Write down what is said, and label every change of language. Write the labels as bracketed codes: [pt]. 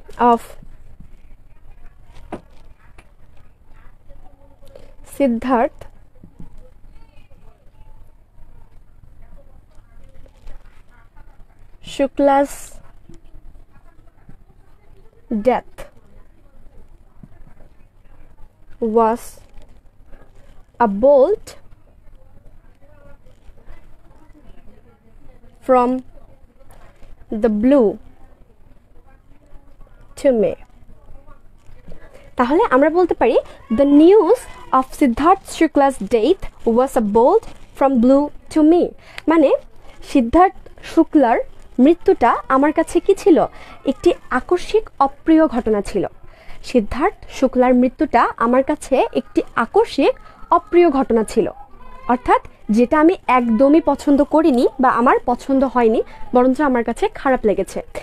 [en] Of Siddharth Shukla's death was a bolt from the blue to me. [bn] তাহলে আমরা বলতে পারি [en] the news of Siddharth Shukla's death was a bolt from blue to me. [bn] মানে সিদ্ধার্থ শুক্লার মৃত্যুটা আমার কাছে কি ছিল, একটি আকস্মিক অপ্রিয় ঘটনা ছিল। সিদ্ধার্থ শুক্লার মৃত্যুটা আমার কাছে একটি আকস্মিক অপ্রিয় ঘটনা ছিল, অর্থাৎ যেটা আমি একদমই পছন্দ করিনি বা আমার পছন্দ হয়নি, বরঞ্চ আমার কাছে খারাপ লেগেছে।